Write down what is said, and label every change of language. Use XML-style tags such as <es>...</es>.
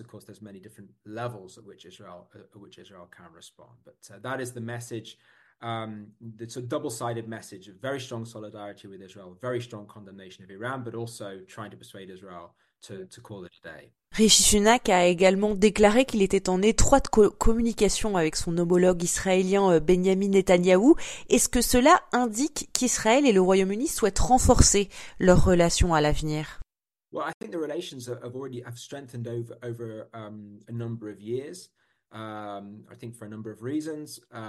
<en>Of course, there's many different levels at which Israel can respond. But that is the message. It's a double-sided message, a very strong solidarity with Israel, very strong condemnation of Iran, but also trying to persuade Israel to call it a day.</en> <fr>Rishi Sunak a également déclaré qu'il était en étroite communication avec son homologue israélien Benjamin Netanyahou. Est-ce que cela indique qu'Israël et le Royaume-Uni souhaitent renforcer leurs relations à l'avenir?</fr> <en>Well, I think the relations have strengthened over a number of years. I think for a number of reasons.</en>